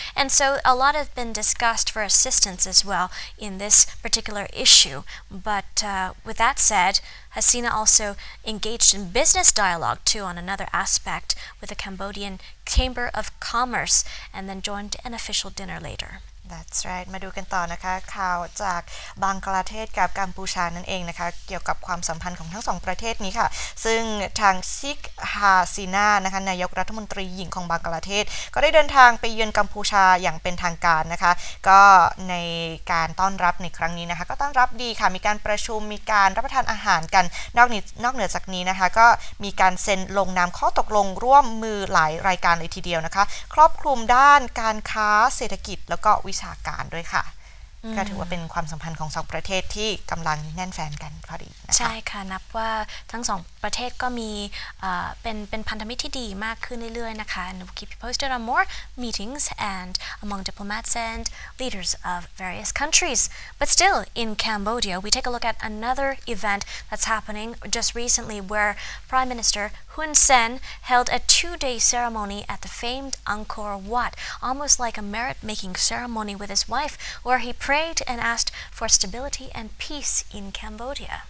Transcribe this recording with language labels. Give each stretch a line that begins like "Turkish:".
English: And so a lot have been discussed for assistance as well in this particular issue. But with that said, Hasina also engaged in business dialogue too on another aspect with the Cambodian Chamber of Commerce and then joined an official dinner later. That's right.
Thai: มาดูกันต่อนะคะข่าวจากบังกลาเทศกับกัมพูชานั่นเองนะคะเกี่ยวกับความสัมพันธ์ของทั้งสองประเทศนี้ค่ะซึ่งทางซิกฮาซีนานะคะนายกรัฐมนตรีหญิงของบังกลาเทศก็ได้เดินทางไปเยือนกัมพูชาอย่างเป็นทางการนะคะก็ใน การต้อนรับในครั้งนี้นะคะก็ต้อนรับดีค่ะมีการประชุมมีการรับประทานอาหารกันนอกเหนือจากนี้นะคะก็มีการเซ็นลงนามข้อตกลงร่วมมือหลายรายการเลยทีเดียวนะคะครอบคลุมด้านการค้าเศรษฐกิจแล้วก็วิชาการด้วยค่ะก็ถือว่าเป็นความสัมพันธ์ของสองประเทศที่กำลังแน่นแฟนกันพอดีนะคะ ใช่ค่ะนับว่าทั้งสองประเทศก็มีเป็นพันธมิตรที่ดีมากขึ้นเรื่อยๆนะคะ
English: and we'll keep you posted on more meetings and among diplomats and leaders of various countries but still in Cambodia we take a look at another event that's happening just recently where Prime Minister Hun Sen held a 2-day ceremony at the famed Angkor Wat almost like a merit-making ceremony with his wife where he prayed and asked for stability and peace in Cambodia.